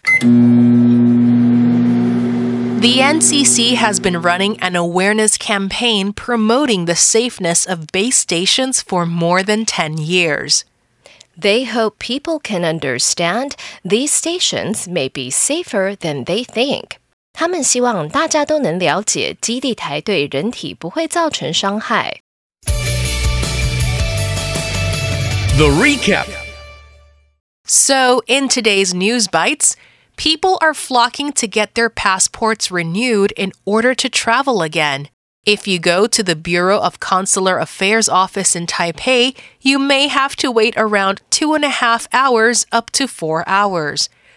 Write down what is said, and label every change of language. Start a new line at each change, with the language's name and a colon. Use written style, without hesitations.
English: The NCC has been running an awareness campaign promoting the safeness of base stations for more than 10 years. They hope people can understand these stations may be safer than they think.
Chinese: 他们希望大家都能了解基地台对人体不会造成伤害。
English: The recap. So, in today's News Bites, people are flocking to get their passports renewed in order to travel again. If you go to the Bureau of Consular Affairs office in Taipei, you may have to wait around 2.5 hours up to 4 hours.